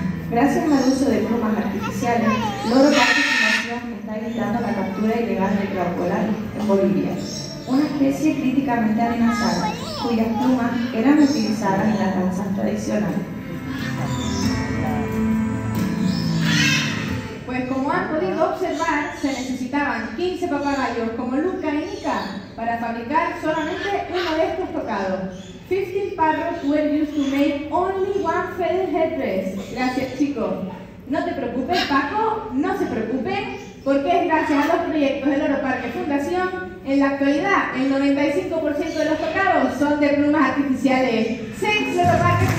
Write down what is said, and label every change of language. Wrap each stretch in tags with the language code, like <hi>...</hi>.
<es>Gracias al uso de plumas artificiales, Loro Paco está evitando la captura ilegal de crocodilos en Bolivia, una especie críticamente amenazada, cuyas plumas eran utilizadas en las danzas tradicionales. Pues como han podido observar, se necesitaban 15 papagayos como Luca y Nika para fabricar solamente uno de estos tocados.</es> <en>15 parrots were used to make only one feather headdress.</en> <es>Gracias, chicos. No te preocupes, Paco, no se preocupen, porque es gracias a los proyectos de Loro Parque Fundación. En la actualidad, el 95% de los tocados son de plumas artificiales. ¡Sí, Loro Parque!</es>